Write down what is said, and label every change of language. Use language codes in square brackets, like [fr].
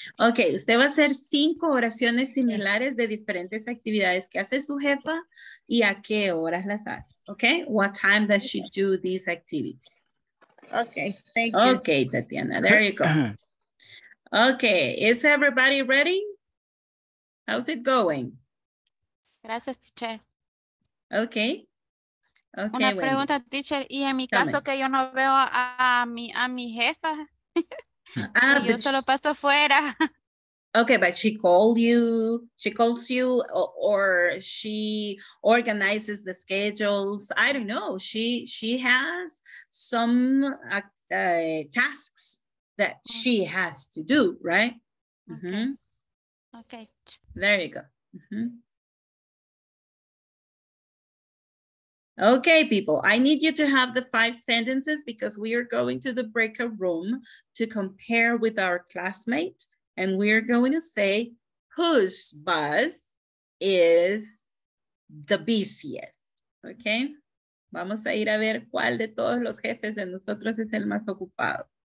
[es] Okay, usted va a hacer 5 oraciones similares de diferentes actividades que hace su jefa y a qué horas las hace. [en] Okay, what time does she do these activities? Okay, thank you. Okay, Tatiana, there you go. Okay, is everybody ready? How's it going? [es] Gracias, teacher. [en] Okay. [es] Okay, una pregunta, Wendy. Teacher, y en mi caso que yo no veo a mi jefa, yo se lo paso fuera. [en] Okay, but she called you, she calls you, or she organizes the schedules. I don't know. She has some tasks that she has to do, right? Mm-hmm. Okay. There you go. Mm-hmm. Okay, people, I need you to have the 5 sentences because we are going to the breakout room to compare with our classmate. And we are going to say, whose bus is the busiest? [es] Okay, vamos a ir a ver cuál de todos los jefes de nosotros es el más ocupado.